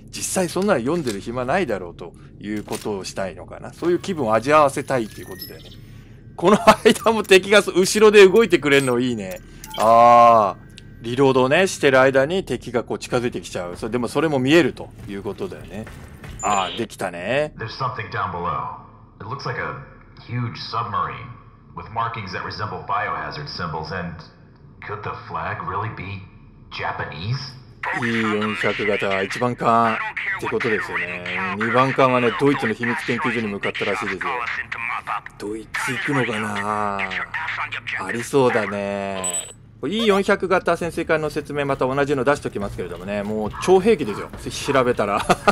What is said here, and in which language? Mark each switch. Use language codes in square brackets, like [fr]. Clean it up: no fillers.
[ja] 実際そんなの読んでる暇ないだろうということをしたいのかな。そういう気分を味合わせたいっていうことだよね。この間も敵が後ろで動いてくれるのいいね。あー。リロードね、してる間に敵がこう近づいてきちゃう。それでもそれも見えるということだよね。ああ、できたね。 [en] There's something down below. It looks like a huge submarine with markings that resemble biohazard symbols. And could the flag really be Japanese? [ja] E400 型は1番艦ってことですよね。 2番艦はね、ドイツの秘密研究所に向かったらしいですよ。ドイツ行くのかな？ありそうだね。E400 型潜水艦の説明また同じの出しときますけれどもね、もう超兵器ですよ。調べたら。